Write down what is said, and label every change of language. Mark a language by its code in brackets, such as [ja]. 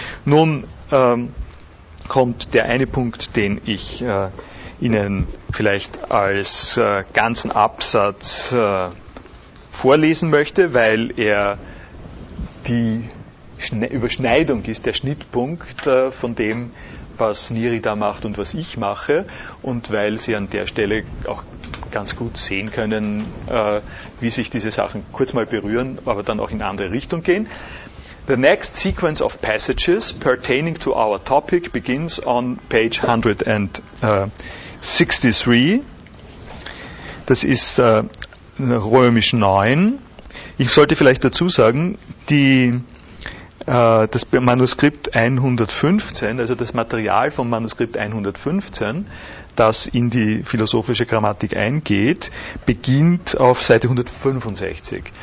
[de] Nun kommt der eine Punkt, den ich Ihnen vielleicht als ganzen Absatz vorlesen möchte, weil er die Überschneidung ist, der Schnittpunkt von dem, was Niri da macht und was ich mache, und weil Sie an der Stelle auch ganz gut sehen können, wie sich diese Sachen kurz mal berühren, aber dann auch in andere Richtung gehen. [en] The next sequence of passages pertaining to our topic begins on page 163. [de] Das ist Römisch 9. Ich sollte vielleicht dazu sagen, das Manuskript 115, also das Material vom Manuskript 115, das in die philosophische Grammatik eingeht, beginnt auf Seite 165.